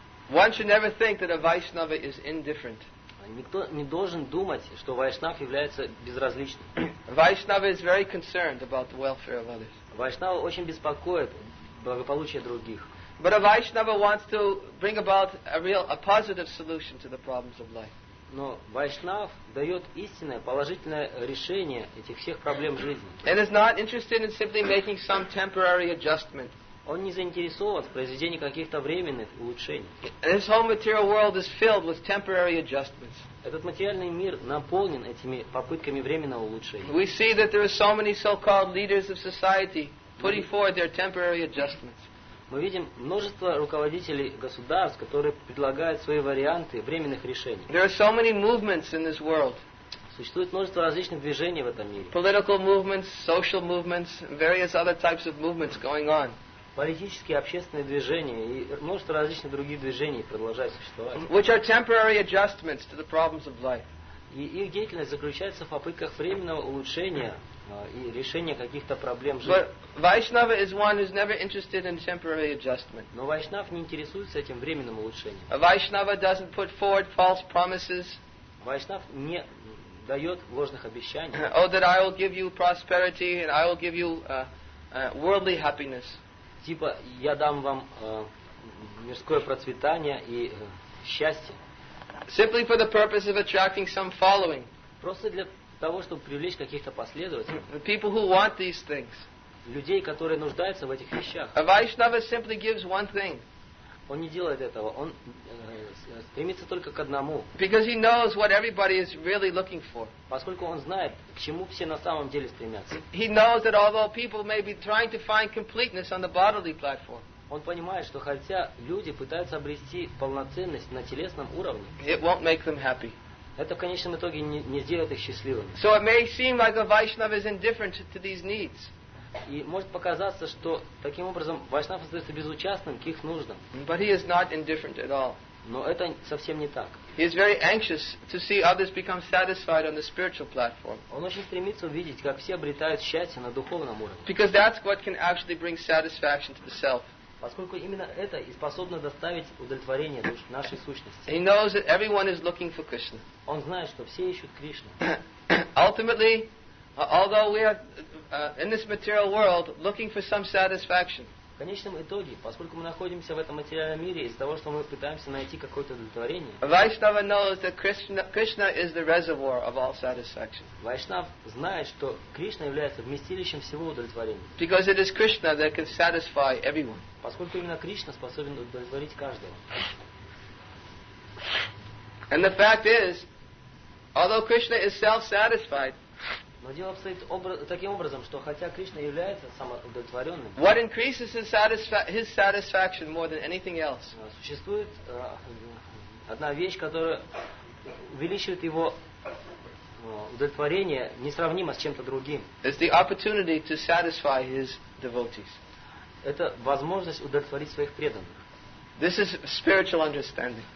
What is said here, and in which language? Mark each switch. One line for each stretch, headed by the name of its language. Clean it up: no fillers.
English: One should never think that a Vaishnava is indifferent.
Russian: Никто не должен думать, что Вайшнав является безразличным.
English: Vaishnava is very concerned about the welfare of others.
Russian: Вайшнава очень беспокоит благополучие других.
English: But a Vaishnava wants to bring about a positive solution to the problems of life.
Russian: Но Вайшнав дает истинное положительное решение этих всех проблем жизни.
English: And is not interested in simply making some temporary adjustment.
Russian: Он не заинтересован в произведении каких-то временных улучшений.
English: This whole material world is filled with temporary adjustments.
Russian: Этот материальный мир наполнен этими попытками временного улучшения.
English: We see that there are so many so-called leaders of society putting forward their temporary adjustments.
Russian: Мы видим множество руководителей государств, которые предлагают свои варианты временных решений.
English: There are so many movements in this world.
Russian: Существует множество различных движений в этом мире.
English: Political movements, social movements, various other types of movements going on.
Russian: Политические, общественные движения и множество различных других движений продолжают существовать.
English: Which are temporary adjustments to the problems of life.
Russian: И их деятельность заключается в попытках временного улучшения и решения каких-то проблем жизни.
English: But Vaishnava is one who's never interested in temporary adjustment.
Russian: Но Вайшнав не интересуется этим временным улучшением.
English: A Vaishnava doesn't put forward false promises.
Russian: Вайшнав не дает ложных обещаний.
English: Oh, that I will give you prosperity and I will give you worldly happiness.
Russian: Типа, я дам вам мирское процветание и счастье.
English: Simply for the purpose of attracting some following.
Russian: Просто для того, чтобы привлечь каких-то последователей.
English: People who want these things.
Russian: Людей, которые нуждаются в этих вещах.
English: A Vaishnava simply gives one thing.
Russian: Он не делает этого. Он стремится только к одному.
English: Because he knows what everybody is really looking for.
Russian: Поскольку он знает, к чему все на самом деле стремятся.
English: He knows that although people may be trying to find completeness on the bodily platform.
Russian: Он понимает, что хотя люди пытаются обрести полноценность на телесном уровне,
English: it won't make them happy.
Russian: Это в конечном итоге не сделает их счастливыми.
English: So it may seem like a Vaishnava is indifferent to these needs.
Russian: И может показаться, что таким образом Вайшнав остается безучастным к их нуждам.
English: But he is not indifferent at all.
Russian: Но это совсем не так.
English: He is very anxious to see others become satisfied on the spiritual platform.
Russian: Он очень стремится увидеть, как все обретают счастье на духовном уровне.
English: Because that's what can actually bring satisfaction to the self.
Russian: Поскольку именно это и способно доставить удовлетворение нашей сущности.
English: He knows that everyone is looking for Krishna.
Russian: Он знает, что все ищут Кришну.
English: Ultimately, although we are in this material world looking for some satisfaction.
Russian: В конечном итоге, поскольку мы находимся в этом материальном мире из-за того, что мы пытаемся найти какое-то удовлетворение.
English: Vaishnava knows that Krishna is the reservoir of all satisfaction.
Russian: Вайшнав знает, что Кришна является вместилищем всего удовлетворения.
English: Because it is Krishna that can satisfy everyone.
Russian: Поскольку именно Кришна способен удовлетворить каждого.
English: And the fact is, although Krishna is self-satisfied,
Russian: но дело обстоит таким образом, что хотя Кришна является самоудовлетворенным,
English: what increases his satisfaction more than anything else?
Russian: Существует одна вещь, которая увеличивает его удовлетворение несравнимо с чем-то другим.
English: It's the opportunity to satisfy his devotees.
Russian: Это возможность удовлетворить своих преданных.
English: This is spiritual understanding.